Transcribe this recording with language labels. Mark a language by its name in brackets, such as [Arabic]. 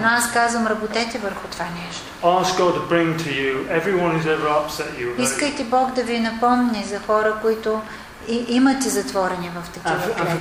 [Bulgarian] Но аз казвам: работете върху това нещо. [English] Ask God to bring to you everyone who's ever upset you. [Bulgarian] Искайте Бог да ви напомни за хора, които имате затворени в такива